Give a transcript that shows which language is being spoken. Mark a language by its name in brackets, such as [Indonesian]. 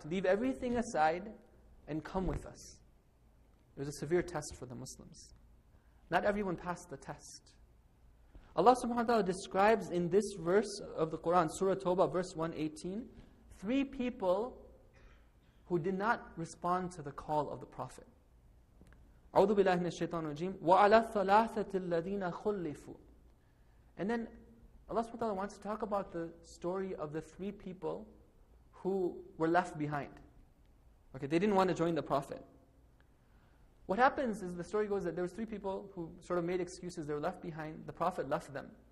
[English] Leave everything aside and come with us. It was a severe test for the Muslims. Not everyone passed the test. Allah subhanahu wa ta'ala describes in this verse of the Quran, Surah Tawbah, verse 118, three people who did not respond to the call of the Prophet. [Arabic] أعوذ بالله من الشيطان الرجيم وَعَلَى الثَّلَاثَةِ الَّذِينَ خُلِّفُوا. [English] And then Allah subhanahu wa ta'ala wants to talk about the story of the three people who were left behind. Okay, they didn't want to join the Prophet. What happens is the story goes that there were three people who sort of made excuses, they were left behind, the Prophet left them.